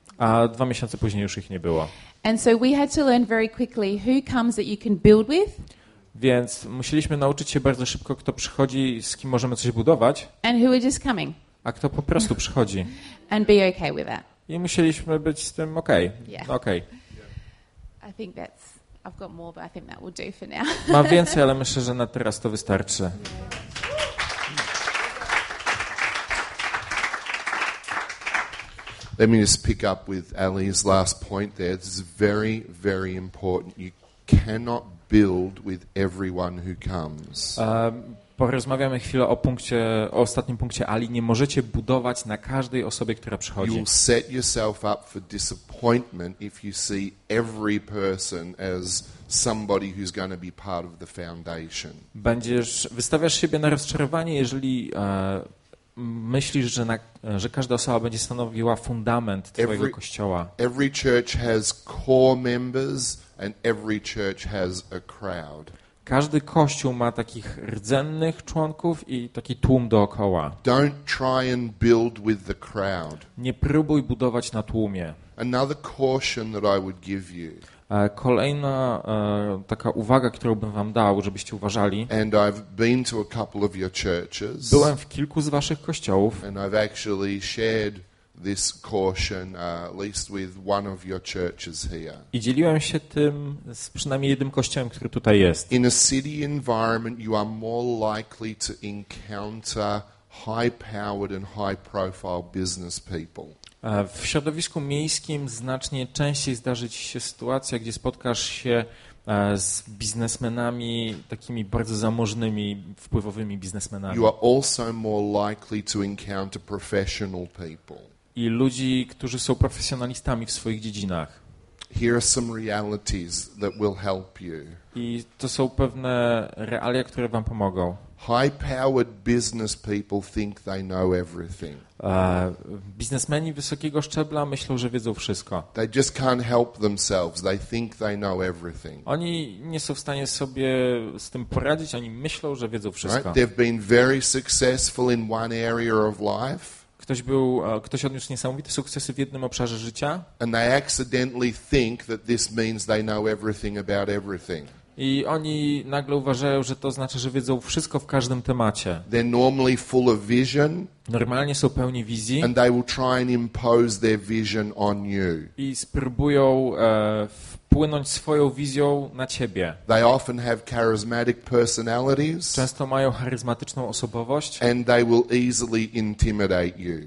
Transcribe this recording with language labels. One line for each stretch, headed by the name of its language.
Polish: A 2 miesiące później już ich nie było.
English: And so we had to learn very quickly who comes that you can build with.
Polish: Więc musieliśmy nauczyć się bardzo szybko, kto przychodzi, z kim możemy coś budować.
English: And who are just coming.
Polish: A kto po prostu przychodzi.
English: And be okay with that.
Polish: I musieliśmy być z tym okej.
English: Okay. Yeah. Okay. I think that's I've got more, but I think that will do for now.
Polish: Mam więcej, ale myślę, że na teraz to wystarczy.
English: Let me just pick up with Ali's last point there. This is very, very important. You cannot build with everyone who comes.
Polish: Porozmawiamy chwilę o punkcie, o ostatnim punkcie Ali. Nie możecie budować na każdej osobie, która przychodzi.
English: You'll set yourself up for disappointment if you see every person as somebody who's going to be part of the foundation.
Polish: Będziesz, wystawiasz siebie na rozczarowanie, jeżeli myślisz, że, na, że każda osoba będzie stanowiła fundament twojego kościoła.
English: Every church has core members and every church has a crowd.
Polish: Każdy kościół ma takich rdzennych członków i taki tłum dookoła.
English: Don't try and build with the crowd.
Polish: Nie próbuj budować na tłumie.
English: Another caution that I would give you.
Polish: Kolejna taka uwaga, którą bym wam dał, żebyście uważali.
English: And I've been to a couple of your churches.
Polish: Byłem w kilku z waszych kościołów.
English: And I've actually shared this caution at least with one of your churches here.
Polish: I dzieliłem się tym z przynajmniej jednym kościołem, który tutaj jest.
English: In a city environment you are more likely to encounter high-powered and high-profile business people.
Polish: W środowisku miejskim znacznie częściej zdarzy ci się sytuacja, gdzie spotkasz się z biznesmenami, takimi bardzo zamożnymi, wpływowymi biznesmenami.
English: You are also more likely to encounter professional people.
Polish: I ludzi, którzy są profesjonalistami w swoich dziedzinach.
English: Here are some realities that will help you.
Polish: I to są pewne realia, które wam pomogą.
English: High-powered business people think they know everything.
Polish: Biznesmeni wysokiego szczebla myślą, że wiedzą wszystko.
English: They just can't help themselves. They think they know everything.
Polish: Oni nie są w stanie sobie z tym poradzić. Oni myślą, że wiedzą wszystko.
English: Right? They've been very successful in one area of life.
Polish: Ktoś odniósł niesamowite sukcesy w jednym obszarze życia.
English: And they accidentally think that this means they know everything about everything.
Polish: I oni nagle uważają, że to znaczy, że wiedzą wszystko w każdym temacie.
English: They're normally full of vision.
Polish: Normalnie są pełni wizji.
English: And they will try and impose their vision on you.
Polish: I spróbują wpłynąć swoją wizją na ciebie.
English: They often have charismatic personalities.
Polish: Często mają charyzmatyczną osobowość.
English: And they will easily intimidate you.